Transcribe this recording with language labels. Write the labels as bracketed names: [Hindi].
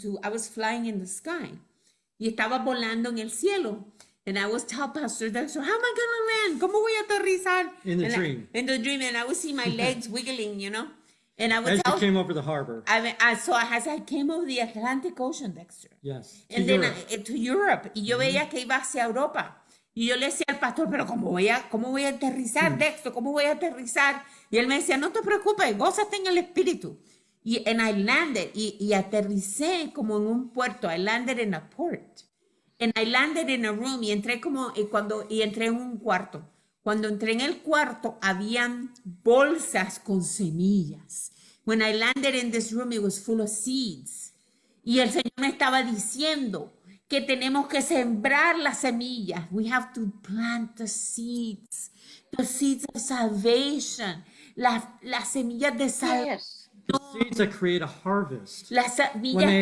[English] I was flying in the sky. Y estaba volando en el cielo. And I was telling Pastor Dexter, how am I going to land? [Spanish] ¿Cómo voy a aterrizar? [English] In the and dream. In the dream. And I would see my legs wiggling, you know. And I would as tell, you came over the harbor. As I came over the Atlantic Ocean, Dexter. Yes. [Spanish] And then to Europe. Y yo veía que iba hacia Europa. Y yo le decía al pastor, pero ¿cómo voy a aterrizar, Dexter? ¿Cómo voy a aterrizar? Y él me decía, no te preocupes, gózate en el espíritu. And I landed. Y aterricé como en un puerto. [English] I landed in a port. And I landed in a room y entré como y entré en un cuarto. [Spanish] Cuando entré en el cuarto, habían bolsas con semillas. [English] When I landed in this room, it was full of seeds. [Spanish] Y el Señor me estaba diciendo que tenemos que sembrar las semillas. [English] We have to plant the seeds of salvation, las semillas de salvación. Yes. The seeds that create a harvest. [Spanish] Las semillas [English] when they